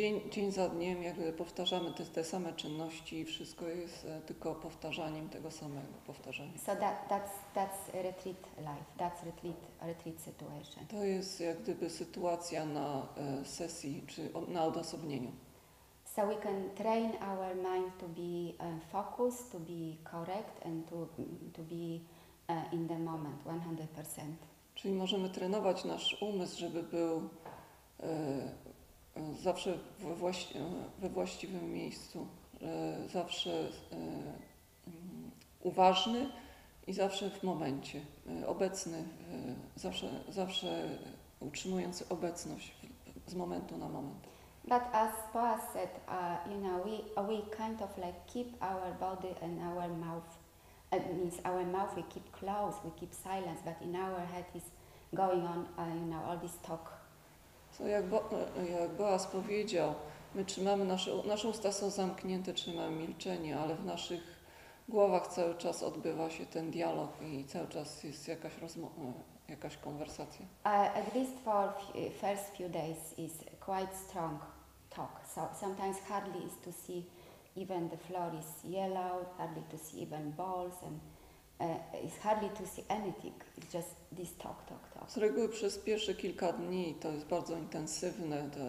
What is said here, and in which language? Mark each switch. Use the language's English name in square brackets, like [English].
[Polish] Dzień za dniem jakby powtarzamy te same czynności i wszystko jest tylko powtarzaniem tego samego powtarzania. [English] So that's a retreat life, that's retreat situation. [Polish] To jest jak gdyby sytuacja na sesji czy na odosobnieniu. [English] So we can train our mind to be focused, to be correct and to be in the moment 100%. [Polish] Czyli możemy trenować nasz umysł, żeby był zawsze we właściwym miejscu, zawsze uważny i zawsze w momencie, obecny, zawsze utrzymujący obecność z momentu na moment. [English] But as Boaz said, you know, we kind of like keep our body and our mouth. It means our mouth we keep closed, we keep silence, but in our head is going on, you know, all this talk. [Polish] So jak Boaz powiedział, my trzymamy nasze usta są zamknięte, trzymamy milczenie, ale w naszych głowach cały czas odbywa się ten dialog i cały czas jest jakaś konwersacja. [English] At least for first few days is quite strong talk. So sometimes hardly is to see even the floor is yellow, hardly to see even balls and it's hardly to see anything. It's just this talk. [Polish] Z reguły przez pierwsze kilka dni to jest bardzo intensywne.